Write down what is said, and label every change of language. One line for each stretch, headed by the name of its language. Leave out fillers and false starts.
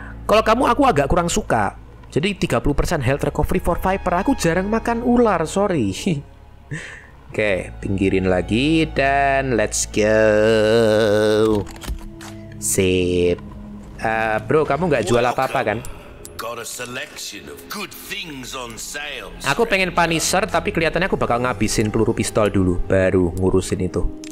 Indonesian: Kalau kamu aku agak kurang suka. Jadi
English: 30% health recovery for viper.
Indonesian: Aku jarang makan ular, sorry. Oke, pinggirin lagi dan
English: let's go.
Indonesian: Sip. Bro, kamu nggak jual apa-apa kan?
English: Got a selection of good things on sale.
Indonesian: Aku pengen Punisher, tapi kelihatannya aku bakal ngabisin peluru pistol dulu, baru ngurusin itu.